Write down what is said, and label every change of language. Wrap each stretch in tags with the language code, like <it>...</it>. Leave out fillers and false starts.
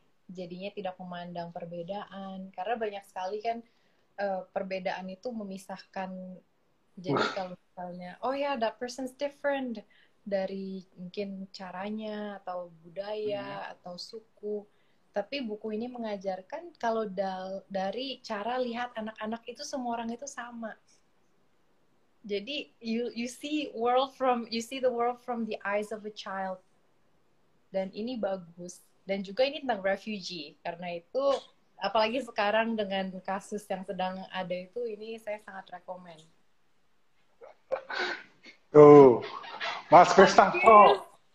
<id>Jadinya tidak memandang perbedaan. Karena banyak sekali kan perbedaan itu memisahkan. Jadi kalau misalnya, oh ya,</id> <en>that person's different</en> <id>dari mungkin caranya atau budaya atau suku. Tapi buku ini mengajarkan kalau dari cara lihat anak-anak itu, semua orang itu sama.</id> <en>Jadi you see the world from the eyes of a child.</en> <id>Dan ini bagus. Dan juga ini tentang refugee. Karena itu, apalagi sekarang dengan kasus yang sedang ada itu, ini saya sangat rekomen. Oh, Mas Kristanto.</id>